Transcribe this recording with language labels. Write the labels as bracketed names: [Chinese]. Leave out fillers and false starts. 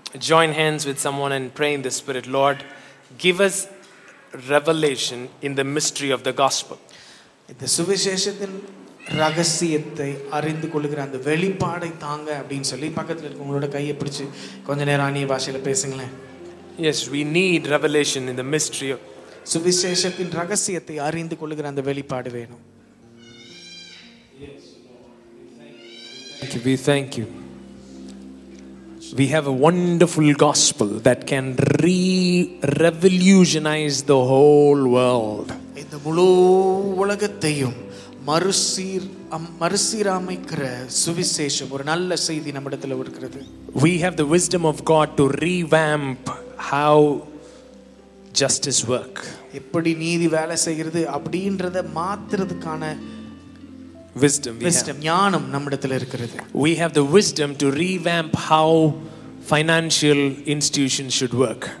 [English] Join hands with someone and pray in the spirit, Lord, give us revelation in the mystery of the gospel. [Tamil] இந்த சுவிசேஷத்தின் ரகசியத்தை அறிந்து கொள்கிற அந்த வெளிப்பாடை தாங்க அப்படினு சொல்லி பக்கத்துல இருக்கவங்களோட கையை பிடிச்சு கொஞ்ச நேரம் ஆணிய பாஷையில பேசுங்களேன். [English] Yes, we need revelation in the mystery of [Tamil] சுவிசேஷத்தின் ரகசியத்தை அறிந்து கொள்கிற அந்த வெளிப்பாடு வேணும். [English] Thank you, we thank you. We have a wonderful gospel that can revolutionize the whole world. [Tamil] இந்த முழு உலகத்தையும் மறுசீரமைக்கிற சுவிசேஷம், ஒரு நல்ல செய்தி நம்மிடத்தில் இருக்கிறது. [English] We have the wisdom of God to revamp how justice work. [Tamil] எப்படி நீதி வேலை செய்கிறது அப்படின்றத மாத்துறதுக்கான [English] wisdom [Tamil] ஞானம் நம்மிடத்தில் இருக்கிறது. [English] We have the wisdom to revamp how financial institutions should work.